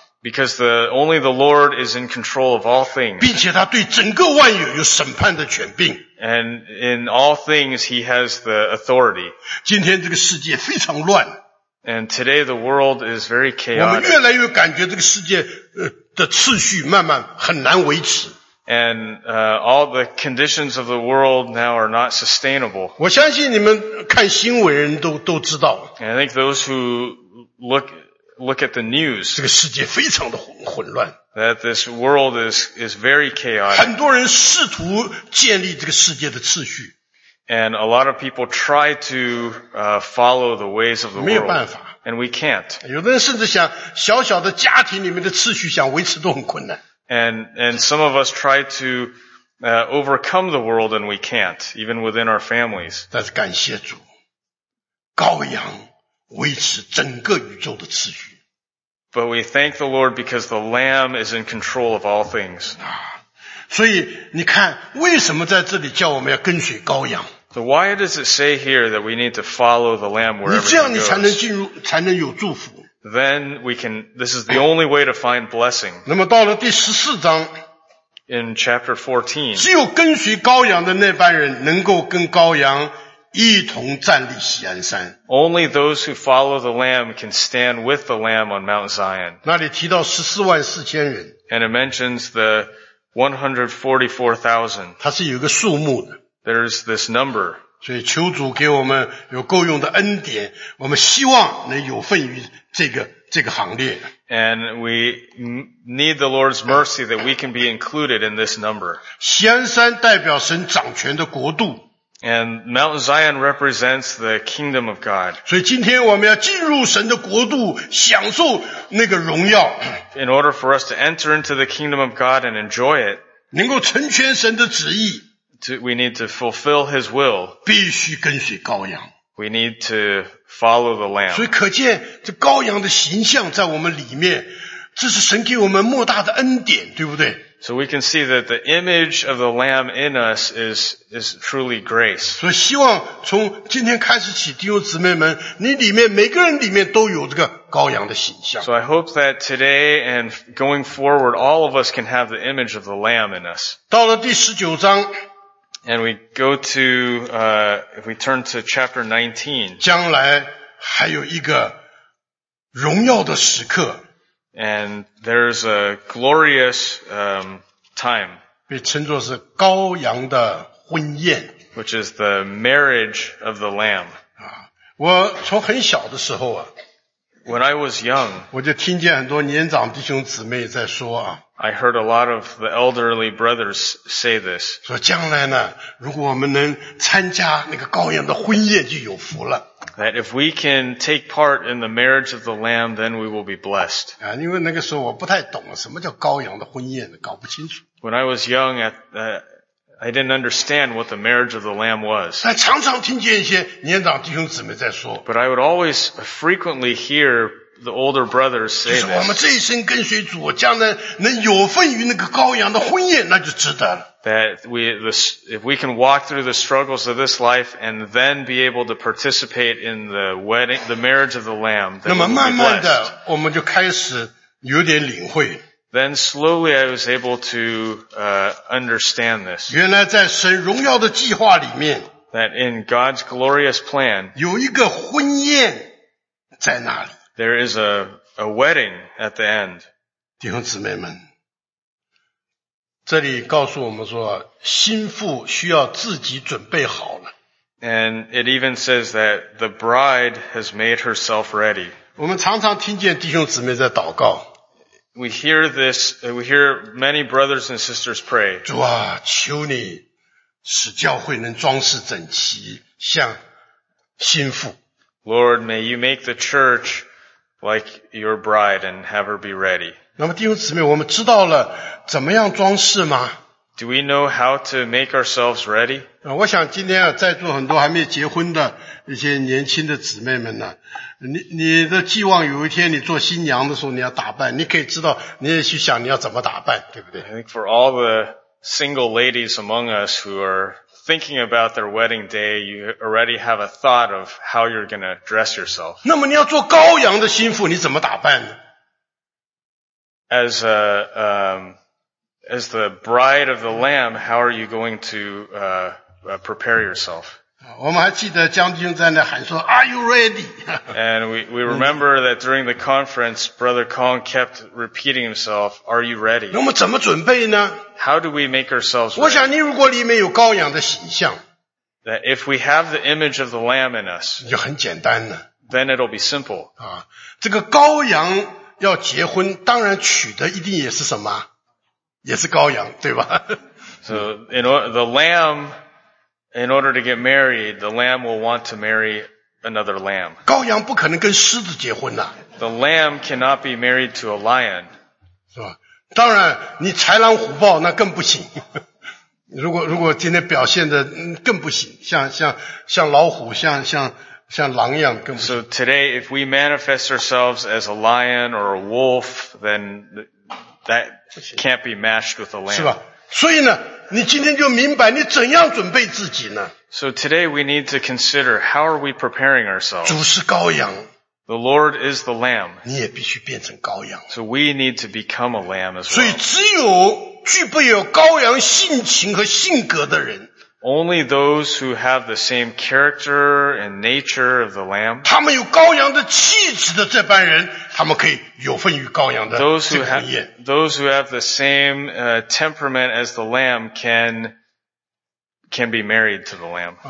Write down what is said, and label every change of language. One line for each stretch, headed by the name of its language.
English: Because only the Lord is in control of all things.
Chinese: 并且他对整个万有有审判的权柄。
English: And in all things he has the authority.
Chinese: 今天这个世界非常乱。
English: And today the world is very chaotic.
Chinese: 我们越来越感觉这个世界的秩序慢慢很难维持。
English: And all the conditions of the world now are not sustainable.
Chinese: 我相信你们看新闻人都知道。
English: And I think those who look at the news.
Chinese: 这个世界非常的混乱。
English: That this world is very chaotic.
Chinese: 很多人试图建立这个世界的秩序。
English: And a lot of people try to follow the ways of the world.
Chinese: 没有办法。
English: And we can't.
Chinese: 有的人甚至想小小的家庭里面的秩序想维持都很困难。
English: And some of us try to overcome the world and we can't, even within our families.
Chinese: 但是感谢主。羔羊维持整个宇宙的秩序。
English: But we thank the Lord because the Lamb is in control of all things.
Chinese: 所以你看为什么在这里叫我们要跟随羔羊。
English: So why does it say here that we need to follow the Lamb wherever he goes?
Chinese: 你这样你才能进入才能有祝福。
English: Then we can, this is the only way to find blessing.
Chinese: 那么到了第十四章。
English: In chapter 14.
Chinese: 只有跟随羔羊的那班人能够跟羔羊一同站立锡安山。
English: Only those who follow the Lamb can stand with the Lamb on Mount Zion.
Chinese: 那里提到14万4千人。
English: And it mentions the 144,000.
Chinese: 它是有一个数目的。
English: There's this number.
Chinese: 所以求主给我们有够用的恩典，我们希望能有份于这个行列。
English: And we need the Lord's mercy that we can be included in this number.
Chinese: 锡安山代表神掌权的国度。
English: And Mount Zion represents the kingdom of God.
Chinese: 所以今天我们要进入神的国度，享受那个荣耀。
English: In order for us to enter into the kingdom of God and enjoy it,
Chinese: 能够成全神的旨意。
English: We need to fulfill his will.
Chinese: 必须跟随羔羊。
English: We need to follow the Lamb.
Chinese: 所以可见这羔羊的形象在我们里面，这是神给我们莫大的恩典，对不对？
English: So we can see that the image of the Lamb in us is truly grace.
Chinese: 所以希望从今天开始起，弟兄姊妹们，你里面每个人里面都有这个羔羊的形象。
English: So I hope that today and going forward, all of us can have the image of the Lamb in us.
Chinese: 到了第十九章。
English: And we go to, if we turn to chapter 19.
Chinese: 将来还有一个荣耀的时刻。
English: And there's a glorious, time.
Chinese: 被称作是羔羊的婚宴。
English: Which is the marriage of the Lamb.
Chinese: 我从很小的时候啊。
English: When I was young.
Chinese: 我就听见很多年长弟兄姊妹在说啊。
English: I heard a lot of the elderly brothers say this.
Chinese: 说将来呢，如果我们能参加那个羔羊的婚宴，就有福了。
English: That if we can take part in the marriage of the Lamb, then we will be blessed.
Chinese: 啊，因为那个时候我不太懂什么叫羔羊的婚宴，搞不清楚。
English: When I was young, I didn't understand what the marriage of the Lamb was.
Chinese: 但常常听见一些年长弟兄姊妹在说。
English: But I would always frequently hear. The older brothers say this.
Chinese: 就是我们这一生跟随主，将来能有份于那个羔羊的婚宴，那就值得了。
English: That if we can walk through the struggles of this life and then be able to participate in the wedding, the marriage of the Lamb, then we'll be blessed.
Chinese: 那么慢慢的，我们就开始有点领会。
English: Then slowly I was able to, understand this.
Chinese: 原来在神荣耀的计划里面。
English: That in God's glorious plan.
Chinese: 有一个婚宴在那里。
English: There is a wedding at the end.
Chinese: 弟兄姊妹们，这里告诉我们说，新妇需要自己准备好了。
English: And it even says that the bride has made herself ready.
Chinese: 我们常常听见弟兄姊妹在祷告。
English: We hear this, we hear many brothers and sisters pray.
Chinese: 主啊，求你使教会能装饰整齐，像新妇。
English: Lord, may you make the church like your bride and have her be ready.
Chinese: 那么弟兄姊妹，我们知道了怎么样装饰吗？
English: Do we know how to make ourselves ready?
Chinese: 我想今天啊，在座很多还没结婚的一些年轻的姊妹们呢，你的寄望有一天你做新娘的时候你要打扮，你可以知道你也去想你要怎么打扮，对不对？
English: I think for all the single ladies among us who are thinking about their wedding day, you already have a thought of how you're going to dress yourself.
Chinese: 那么你要做羔羊的新妇，你怎么打扮呢？
English: As the bride of the Lamb, how are you going to prepare yourself?
Chinese: 我们还记得将军在那喊说
English: Are you ready? And we remember that during the conference, Brother Kong kept repeating himself, Are you ready?
Chinese: 那么怎么准备呢？
English: How do we make ourselves ready?
Chinese: 我想你如果里面有羔羊的形象，
English: That if we have the image of the Lamb in us,
Chinese: 就很简单了。
English: Then it'll be simple.
Chinese: 这个羔羊要结婚，当然娶的一定也是什么？也是羔羊，对吧？
English: So, the Lamb,In order to get married, the lamb will want to marry another lamb.
Chinese: 羔羊不可能跟狮子结婚啊。
English: The lamb cannot be married to a lion.
Chinese: 是吧？当然，你豺狼虎豹那更不行。如果今天表现的更不行，像老虎，像
English: So today, if we manifest ourselves as a lion or a wolf, then that can't be matched with a lamb.
Chinese: 所以呢,你今天就明白你怎样准备自己呢?
English: So today we need to consider how are we preparing ourselves.
Chinese: 主是羔羊,
English: the Lord is the Lamb.
Chinese: 你也必须变成羔羊,
English: so we need to become a Lamb as well.
Chinese: 所以只有具备有羔羊性情和性格的人,
English: only those who have the same character and nature of the Lamb.
Chinese: 他们有羔羊的气质的这般人,
English: those who have the same temperament as the Lamb can be married to the Lamb.